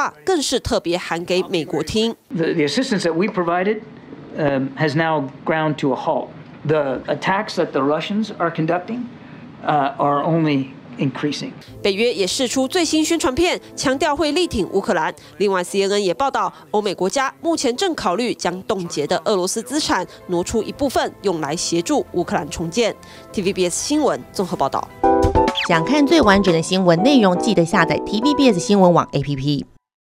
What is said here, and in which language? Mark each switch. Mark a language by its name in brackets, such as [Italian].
[Chinese] 泽伦斯基表示，现在普京会加大攻击力道，只为了拿出战果，好评连任。因此，希望盟国不要停止帮乌克兰。这番话更是特别喊给美国听。 [English] The assistance that we provided has now ground to a halt. The attacks that the Russians are conducting are only increasing. [Chinese] 北约也释出最新宣传片，强调会力挺乌克兰。另外 ，CNN 也报道，欧美国家目前正考虑将冻结的俄罗斯资产挪出一部分，用来协助乌克兰重建。TVBS 新闻综合报道。想看最完整的新闻内容，记得下载 TVBS 新闻网 APP。